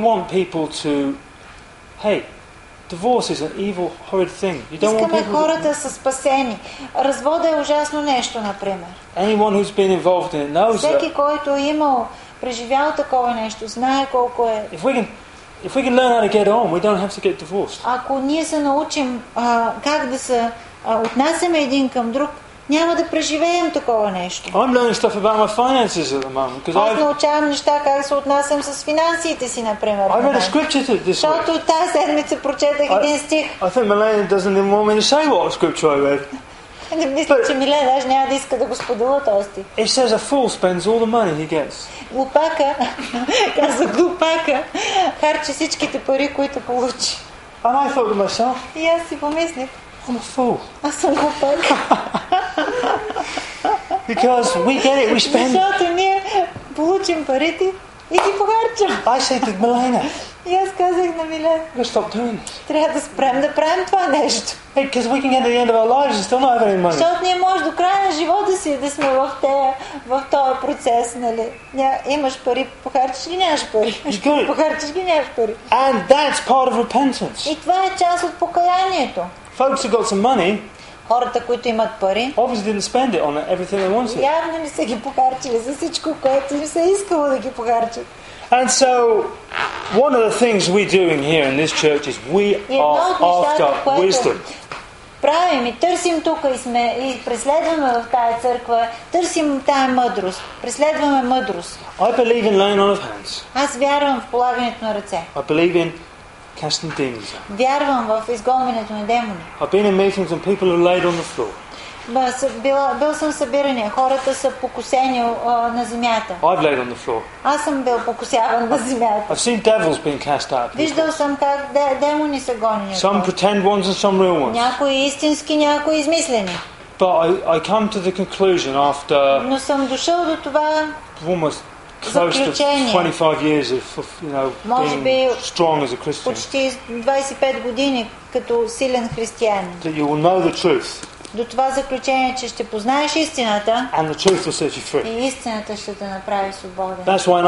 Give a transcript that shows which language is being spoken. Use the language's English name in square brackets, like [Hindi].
[English] want people to, hey, divorce is an evil, horrid thing. You don't want people. [Bulgarian] Хората са спасени. Развода е ужасно нещо, например. [English] Anyone who's been involved in it knows that. [Bulgarian] Всеки, който е имал, преживял такова нещо, знае колко е. [English] If we can learn how to get on, we don't have to get divorced. [Bulgarian] Ако ние се научим как да се отнасяме един към друг, няма да преживеем такова нещо. [English] I'm learning stuff about my finances at the moment because [Bulgarian] аз научавам неща как се отнасям с финансите си, например. [English] I read a scripture this week. [Bulgarian] Защото тази седмица прочетах един стих. [English] I think Milena doesn't even want me to say what scripture I read. [Bulgarian] Не мисля, че Милена даже няма да иска да го споделя този стих. [English] It says a fool spends all the money he gets. [Bulgarian] Глупака, казва глупака, харчи всичките пари, които получи. [English] And I thought to myself. [Bulgarian] И аз си помислих. [English] I'm a fool. [Bulgarian] Аз съм глупак. [English] Because we get it, we spend. [Bulgarian] Защото ние получим парите и ги похарчим. [English] I said to Milena. [Bulgarian] И аз казах на Милена. [English] We'll stop doing. [Bulgarian] Трябва да спрем да правим това нещо. [English] Because we can get to the end of our lives and still not have any money. [Bulgarian] Защото ние може до края на живота си да сме в този процес, нали? Имаш пари, похарчиш ги, нямаш пари. Похарчиш ги, нямаш пари. [English] And that's part of repentance. [Bulgarian] И това е част от покаянието. [English] Folks who got some money. [Bulgarian] Хората, които имат пари, [English] obviously didn't spend it on everything they wanted. [Bulgarian] Явно не са ги похарчили за всичко, което им се искало да ги похарчат. [English] And so, one of the things we're doing here in this church is we are after wisdom. [Bulgarian] Правим и търсим тук и сме и преследваме в тая църква, търсим тая мъдрост, преследваме мъдрост. [English] I believe in laying on of hands. [Bulgarian] Аз вярвам в полагането на ръце. [English] I believe in casting demons. [Bulgarian] Вярвам в изгонването на демони. [English] I've been in meetings and people are laid on the floor. [Bulgarian] Бил съм събирания. Хората са покусени на земята. [English] I've laid on the floor. [Bulgarian] Аз съм бил покусяван на земята. [English] I've seen devils being cast out. [Bulgarian] Виждал съм как демони са гонени. [English] Some pretend ones and some real ones. [Bulgarian] Някои истински, някои измислени. [English] But I come to the conclusion after. [Bulgarian] Но съм дошъл до това. [English] Almost close to 25 years of you know being strong as a Christian. [Bulgarian] Почти 25 години като силен християнин. [English] That you will know the truth. [Bulgarian] До това заключение, че ще познаеш истината и истината ще те направи свободен.